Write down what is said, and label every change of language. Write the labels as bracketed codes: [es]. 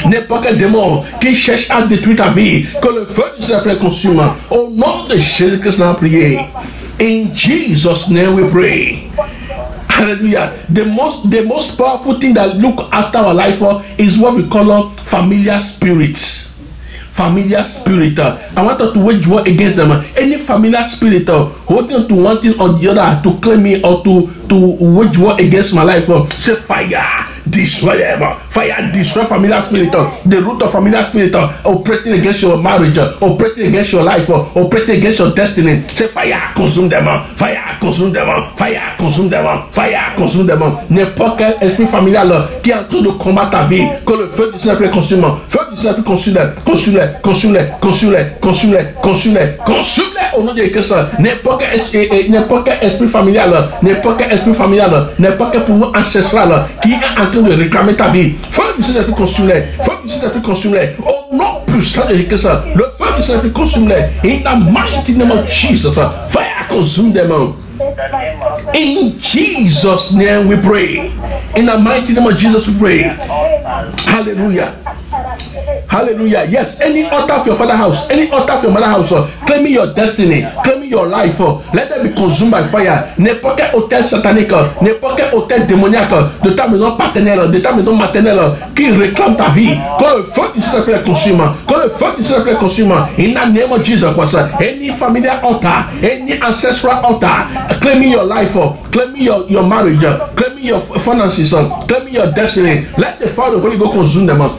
[fr] N'est pas qu'un démon qui cherche à détruire ta vie. Que le feu du Saint-Esprit consume. Au nom de Jésus Christ, on a prié. [en] In Jesus' name we pray. Hallelujah. The most powerful thing that look after our life is what we call a familiar spirit. Familiar spirit. I want to wage war against them. Any familiar spirit holding to one thing or the other to claim me or to wage war against my life. Say fire. Destroy them. Fire. Destroy familiar spirit. The root of familiar spirit operating against your marriage. Operating against your life. Operating against your destiny. Say fire. Consume them. Fire. Consume them. Fire. Consume them. Fire. Consume them. [fr] N'importe quel esprit familial qui est en train de combattre ta vie. Que le feu du Saint-Esprit consume. Feu du Saint-Esprit consume. Consume. Consume-les au nom de Christ. N'est pas qu'un esprit familial, n'est pas qu'un pouvoir ancestral qui est en train de réclamer ta vie. Feu du Saint-Esprit, consume-les. Feu du Saint-Esprit, consume-les. Au nom puissant de Christ, le feu du Saint-Esprit, consume-les. [en] In the mighty name of Jesus, fire consume them. In Jesus' name we pray. In the mighty name of Jesus we pray. Hallelujah. Hallelujah. Yes, any altar of your father house, any altar of your mother house, claiming your destiny, claiming your life, let them be consumed by fire. [fr] N'est pas qu'un hôtel satanique, n'est pas qu'un hôtel démoniaque de ta maison paternelle, de ta maison maternelle qui réclame ta vie. Que le feu du Saint-Esprit les consume. Que le feu du Saint-Esprit les consume. [en] In the name of Jesus Christ, any familiar altar, any ancestral altar, claiming your life, claiming your marriage, claiming your finances, claiming your destiny. Let the fire of the Holy Ghost consume them.